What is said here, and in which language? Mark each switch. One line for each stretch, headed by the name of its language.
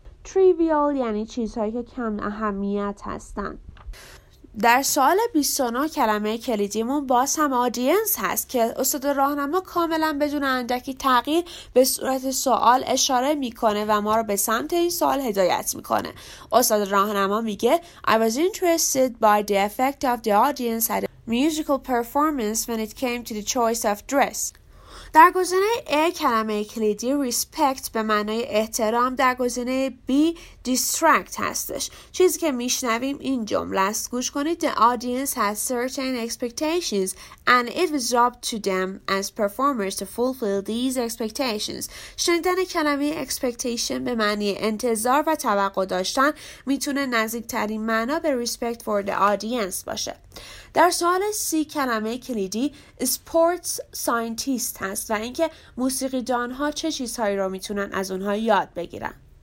Persian: Trivial یعنی چیزهایی که کم اهمیت هستن. در سوال 29 کلمه کلیدیمون باز هم آدینس هست که استاد راهنما کاملا بدون اندکی تغییر به صورت سوال اشاره میکنه و ما رو به سمت این سوال هدایت میکنه. استاد راهنما میگه
English: I was interested by the effect of the audience at a musical performance when it came to the choice of dress.
Persian: در گزینه A کلمه کلیدی respect به معنای احترام، در گزینه B distract هستش. چیزی که میشنویم این جمله است. گوش کنید.
English: The audience has certain expectations and it was up to them as performers to fulfill these expectations.
Persian: شنیدن کلمه expectation به معنی انتظار و توقع داشتن میتونه نزدیکترین معنا به
English: respect for the audience
Persian: باشه. در سوال C کلمه کلیدی sports scientist هست و اینکه موسیقیدان ها چه چیزهایی را میتونن از اونها یاد بگیرن.